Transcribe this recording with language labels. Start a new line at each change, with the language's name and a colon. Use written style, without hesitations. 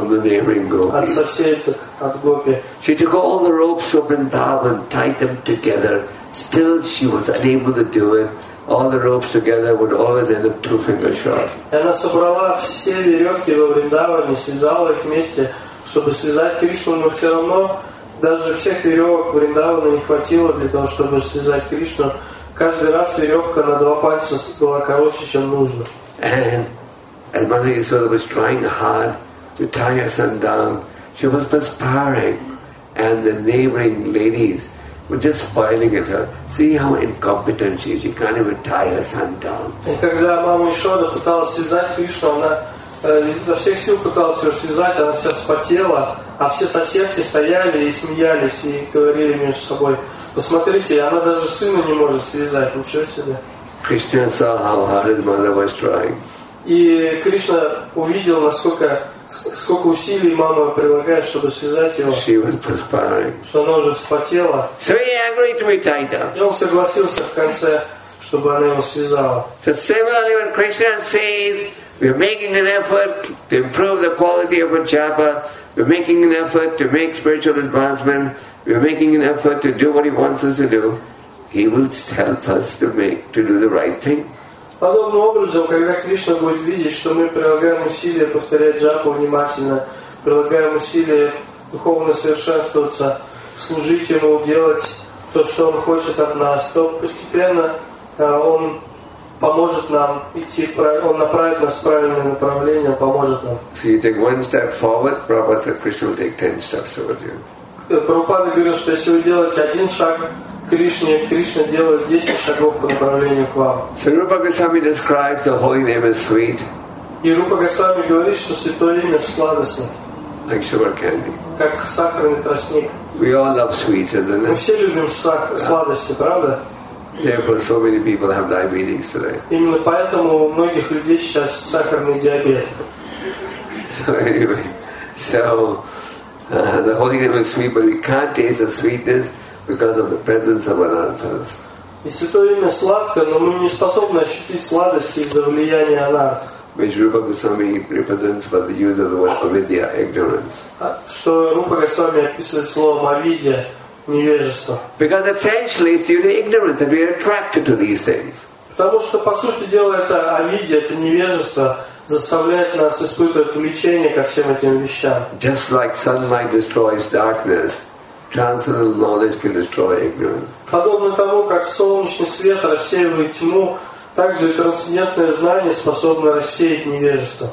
English: From the neighboring gopis.
Russian: От соседок, от гопи.
English: She took all the ropes of Vrindavan, tied them together. Still, she was unable to do it. All the ropes together would always end up 2 fingers short.
Russian: Она собрала все веревки во Вриндаване, связала их вместе, чтобы связать Кришну, но все равно даже всех веревок Вриндавана не хватило для того, чтобы связать Кришну. Каждый раз веревка на 2 пальца была короче, чем нужно.
English: And as Mother Yashoda was trying hard to tie her son down, she was perspiring, and the neighboring ladies were just smiling at her. See how incompetent she is. She can't even tie her son down.
Russian: И когда мама Ишода пыталась связать Кришну, она изо всех сил пыталась ее связать, она вся вспотела, а все соседки стояли и смеялись и говорили между собой: «Посмотрите, она даже сына не может связать. Ничего себе!»
English: Krishna saw how hard his mother was trying.
Russian: И Кришна увидел, сколько усилий мама прилагает, чтобы связать его.
English: She was perspiring.
Russian: Что она уже вспотела.
English: So he agreed to be tied up.
Russian: И он согласился в конце, чтобы она его связала.
English: So similarly, when Krishna says, we are making an effort to improve the quality of our japa, we are making an effort to make spiritual advancement, we are making an effort to do what he wants us to do, he will help us to do the right thing.
Russian: Подобным образом, когда Кришна будет видеть, что мы прилагаем усилия повторять джапу внимательно, прилагаем усилия духовно совершенствоваться, служить ему, делать то, что он хочет от нас, то постепенно он поможет нам идти в он направит нас в правильное направление, поможет нам.
English: So you take one step forward, Prabhupada said Krishna will take 10 steps with you.
Russian: Прабхупада говорит, что если вы делаете один шаг, Кришна делает 10 шагов по направлению к вам.
English: So Rupa Goswami describes the holy name as sweet.
Russian: И Рупа Госвами говорит, что святое имя сладостно.
English: Like sugar candy.
Russian: Как сахарный тростник.
English: We all love sweets, isn't it?
Russian: Мы все любим сладости, правда?
English: Therefore, so many people have diabetes today.
Russian: Именно поэтому у многих людей сейчас сахарный диабет.
English: The holy name is sweet, but we can't taste the sweetness because of the presence of anarthas.
Russian: И святое имя сладко, но мы не способны ощутить сладости из-за влияния анарт.
English: Which Rupa Goswami represents by the use of the word avidya, ignorance.
Russian: Что Рупа Госвами описывает словом авидья, невежество.
English: Because essentially it's due to ignorance that we are attracted to these things.
Russian: Потому что по сути дела это авидья, это невежество. Заставляет нас испытывать влечение ко всем этим вещам.
English: Just like sunlight destroys darkness, transcendental knowledge can destroy ignorance.
Russian: Подобно тому, как солнечный свет рассеивает тьму, также и трансцендентное знание способно рассеять невежество.